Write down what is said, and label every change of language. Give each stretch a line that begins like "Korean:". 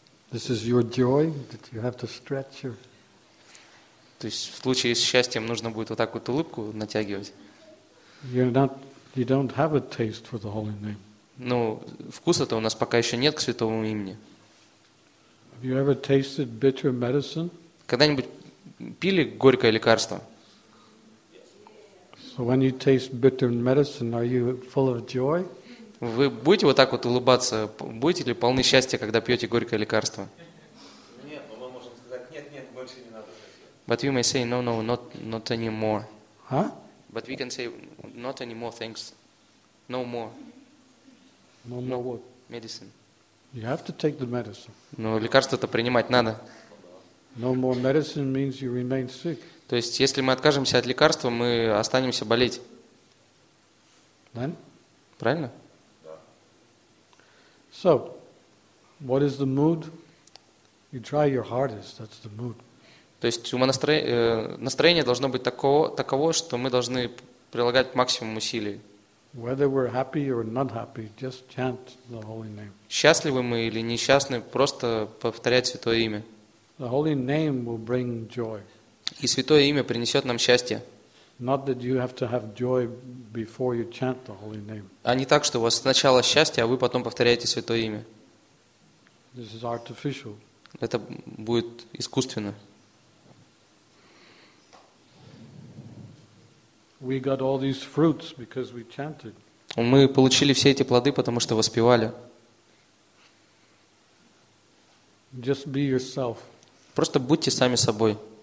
English: This is your joy, that you have to stretch your...
Russian: То есть в случае с счастьем нужно будет вот так вот улыбку натягивать.
English: You don't have a taste for the holy name.
Russian: Ну, вкуса-то у нас пока еще нет к святому имени.
English: Have you ever tasted bitter medicine?
Russian: Когда-нибудь пили горькое лекарство?
English: So when you taste bitter medicine, are you full of joy?
Russian: Вы будете вот так вот улыбаться? Будете ли полны счастья, когда пьете горькое лекарство?
English: But we may say no, not anymore. Huh? But we can say not anymore, thanks. No more. No what? Medicine. You have to take the medicine.
Russian: Но лекарство-то принимать надо.
English: No more medicine means you remain sick.
Russian: То есть, если мы откажемся от лекарства, мы останемся болеть.
English: Then?
Russian: Правильно? Да.
English: So, What is the mood? You try your hardest. That's the mood.
Russian: То есть настроение должно быть таково, что мы должны прилагать максимум усилий.
English: Whether we're happy or not happy, just chant the holy name.
Russian: Счастливы мы или несчастны, просто повторять святое имя.
English: The holy name will bring joy.
Russian: И святое имя принесет нам счастье.
English: Not that you have to have joy before you chant the holy name.
Russian: А не так, что у вас сначала счастье, а вы потом повторяете святое имя.
English: This is artificial.
Russian: Это будет искусственно.
English: We got all these fruits because we chanted.
Russian: Мы получили все эти плоды, потому что воспевали.
English: Just be yourself.
Russian: Просто будьте сами собой.